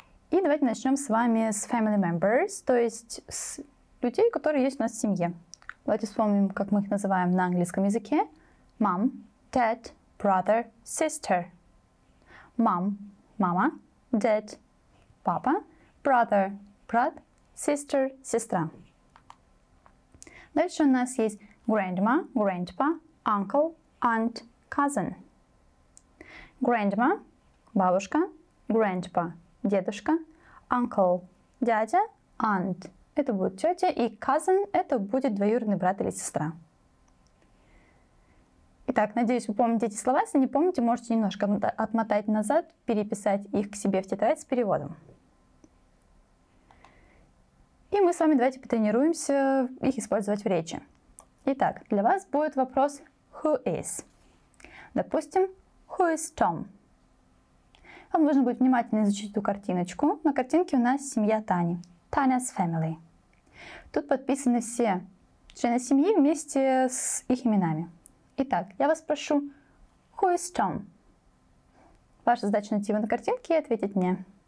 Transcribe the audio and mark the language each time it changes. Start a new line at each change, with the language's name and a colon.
Russian: И давайте начнем с вами с family members, то есть с людей, которые есть у нас в семье. Давайте вспомним, как мы их называем на английском языке.
English: Mom, dad, brother, sister.
Russian: Mom, мама, dad, папа, brother, брат, sister, сестра. Дальше у нас есть
English: grandma, grandpa, uncle, aunt, cousin.
Russian: Grandma, бабушка, grandpa, дедушка, uncle, дядя, aunt, это будет тетя, и cousin, это будет двоюродный брат или сестра. Итак, надеюсь, вы помните эти слова. Если не помните, можете немножко отмотать назад, переписать их к себе в тетрадь с переводом. И мы с вами давайте потренируемся их использовать в речи. Итак, для вас будет вопрос
English: «Who is?».
Russian: Допустим,
English: «Who is Tom?».
Russian: Вам нужно будет внимательно изучить эту картиночку. На картинке у нас семья Тани.
English: Tanya's family.
Russian: Тут подписаны все члены семьи вместе с их именами. Итак, я вас прошу,
English: «Who is Tom?».
Russian: Ваша задача найти его на картинке и ответить мне.